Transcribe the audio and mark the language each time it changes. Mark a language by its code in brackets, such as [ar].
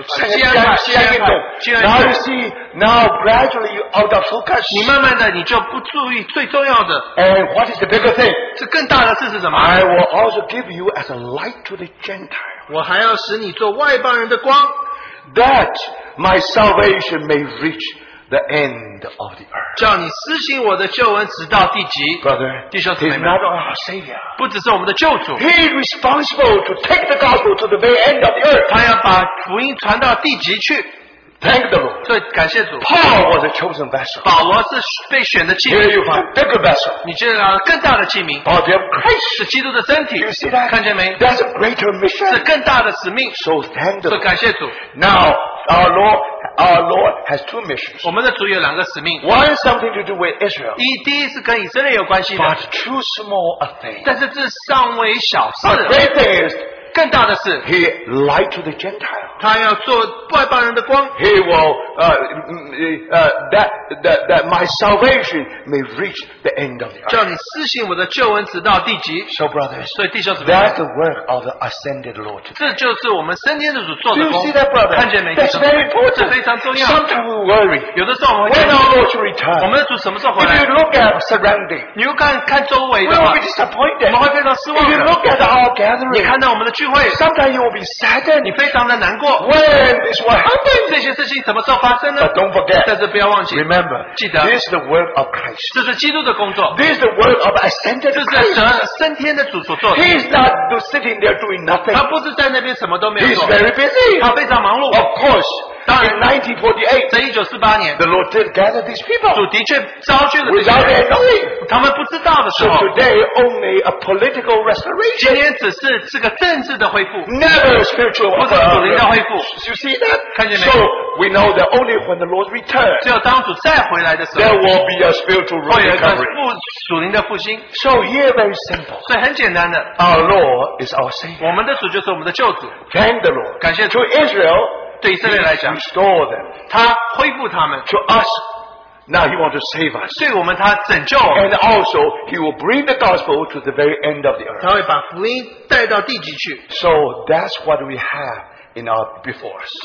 [en] Now you see, now gradually you out of focus. [zh] 你慢慢的你就不注意最重要的, [en] and what is the bigger thing? [zh] 这更大的事是什么? [en] I will also give you as a light to the Gentile, that my salvation may reach the end of the earth. [zh] 叫你施行我的救恩直到地极, [en] brother, [zh] 弟兄姊妹们, [en] he is not our Savior. [zh] 不只是我们的救主, [en] he is responsible to take the gospel to the very end of the earth. [zh] 他要把福音传到地极去。 [en] Thank the Lord. [zh] 所以感谢主, [en] Paul was a chosen vessel. [zh] 保罗是被选的器皿, [en] here you find bigger vessel. [zh] 你知道更大的器皿, [en] body of Christ. [zh] 是基督的身体, [en] you see that? [zh] 看见没? [en] That's a greater mission. [zh] 是更大的使命, [en] so thank the Lord. [zh] 所以感谢主, [en] now our Lord has two missions. [zh] 我们的主有两个使命, [en] one is something to do with Israel. [zh] 第一是跟以色列有关系的, [en] but too small a thing. [zh] 但是这尚未小事, [en] the great thing is, [zh] 更大的是, [en] he lied to the Gentile. [zh] 他要做外邦人的光, [en] he will that my salvation may reach the end of the earth. [zh] 叫你施行我的救恩直到地极. [en] So brothers, [zh] 所以弟兄姊妹, [en] that's the work of the ascended Lord. [zh] 这就是我们升天的主做的工. [en] Do you see that, brother? [zh] 看见没? [en] That's very important. [zh] 这非常重要. [en] Sometimes we worry, [zh] 有的时候我们会, [en] when our Lord should return, [zh] 我们的主什么时候回来? [en] If you look at surrounding, [zh] 你又看周围的话, [en] we will be disappointed. [zh] 我们会非常失望的。 [en] If you look at our gathering, [zh] 你看到我们的聚会,聚会, [en] sometimes you will be saddened. [zh] 你非常的难过, [en] when this will happen? [zh] 这些事情什么时候发生呢? [en] But don't forget. [zh] 但是不要忘记, [en] remember, [zh] 记得, [en] this is the work of Christ. [zh] 这是基督的工作, [en] this is the work of ascended Christ. [zh] 这是神升天的主所做的, [en] he is not sitting there doing nothing. [zh] 他不是在那边什么都没有做, [en] he is very busy. [zh] 他非常忙碌, [en] of course. In 1948, the Lord did gather these people without their knowing. So today, only a political restoration. Never spiritual restoration. You see that? So we know that only when the Lord returns, there will be a spiritual recovery. So here, very simple. Our Lord is our Savior. Thank the Lord. To Israel, [zh] 对以色列来讲, [en] to us, now he wants to save us. [zh] 对我们他拯救我们, [en] and also, he will bring the gospel to the very end of the earth. [zh] 他会把福音带到地极去, [en] so that's what we have in our before us.